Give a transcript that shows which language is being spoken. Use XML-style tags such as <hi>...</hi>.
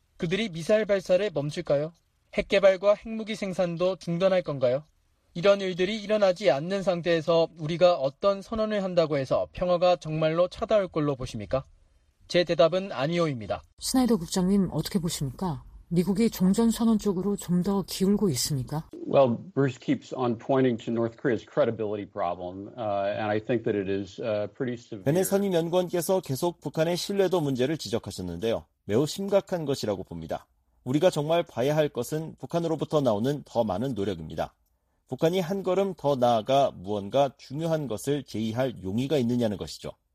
<ko>그들이 미사일 발사를 멈출까요? 핵 개발과 핵무기 생산도 중단할 건가요? 이런 일들이 일어나지 않는 상태에서 우리가 어떤 선언을 한다고 해서 평화가 정말로 찾아올 걸로 보십니까? 제 대답은 아니오입니다. 스나이더 국장님, 어떻게 보십니까? 미국이 종전선언 쪽으로 좀 더 기울고 있습니까?</ko> <en>Well, Bruce keeps on pointing to North Korea's credibility problem, and I think that it is pretty severe.</en> <ko>베네 선임 연구원께서 계속 북한의 신뢰도 문제를 지적하셨는데요. 매우 심각한 것이라고 봅니다. 우리가 정말 봐야 할 것은 북한으로부터 나오는 더 많은 노력입니다. 북한이 한 걸음 더 나아가 무언가 중요한 것을 제의할 용의가 있느냐는 것이죠.</ko>